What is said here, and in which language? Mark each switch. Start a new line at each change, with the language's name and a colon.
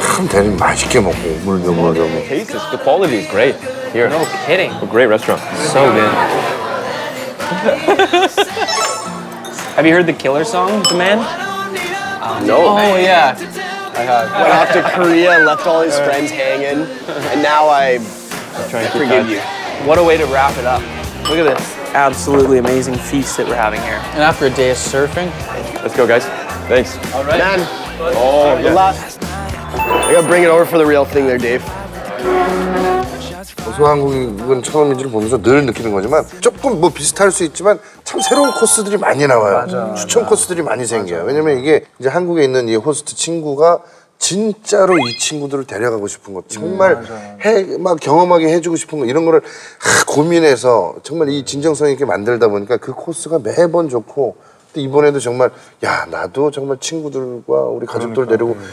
Korean: 되게 맛있게 먹고 물 넣어서.
English: The taste is, the quality is great here. No kidding. A great restaurant. So good. Have you heard the killer song, The Man? No. Oh, yeah. I have. Went off to Korea, left all his friends hanging, and now I forgive you. What a way to wrap it up. Look at this absolutely amazing feast that we're having here. And after a day of surfing. Let's go, guys. Thanks. All right. Man. Oh, good luck. I gotta bring it over for the real thing there, Dave.
Korean: 어서와한국은 처음이지를 보면서 늘 느끼는 거지만 조금 뭐 비슷할 수 있지만 참 새로운 코스들이 많이 나와요. 맞아, 추천 맞아. 코스들이 많이 생겨요. 왜냐면 이게 이제 한국에 있는 이 호스트 친구가 진짜로 이 친구들을 데려가고 싶은 거 정말 막 경험하게 해주고 싶은 거 이런 거를 고민해서 정말 이 진정성 있게 만들다 보니까 그 코스가 매번 좋고 또 이번에도 정말 야 나도 정말 친구들과 우리 가족들 그러니까.